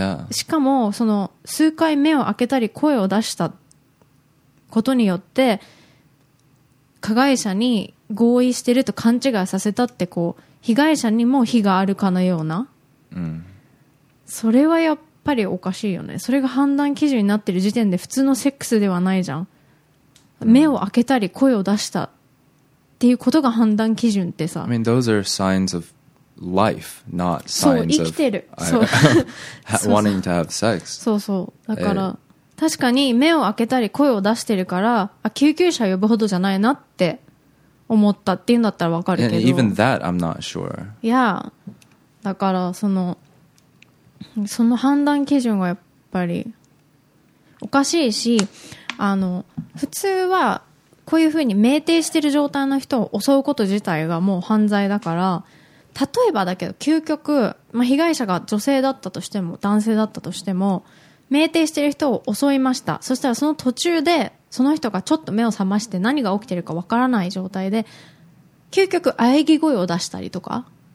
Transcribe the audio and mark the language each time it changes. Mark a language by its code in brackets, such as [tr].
[ja] しかもその数回目を開けたり声を出したことによって加害者に合意してると勘違いさせたって、こう被害者にも非があるかのような、それはやっぱりおかしいよね。それが判断基準になってる時点で普通のセックスではないじゃん、目を開けたり声を出したっていうことが判断基準ってさ、 [en] I mean those are signs of life, not signs of, [ja] そう生きてる、 そう [en] wanting to have sex. [ja] そうそう、だから確かに目を開けたり声を出してるから、あ、救急車呼ぶほどじゃないなって思ったっていうんだったら分かるけど、 [en] And even that I'm not sure. Yeah. [ja] だからその判断基準がやっぱりおかしいし、あの普通はこういうふうに酩酊してる状態の人を襲うこと自体がもう犯罪だから、例えばだけど究極、まあ、被害者が女性だったとしても男性だったとしても、酩酊してる人を襲いました、そしたらその途中でその人がちょっと目を覚まして何が起きてるかわからない状態で究極喘ぎ声を出したりとか、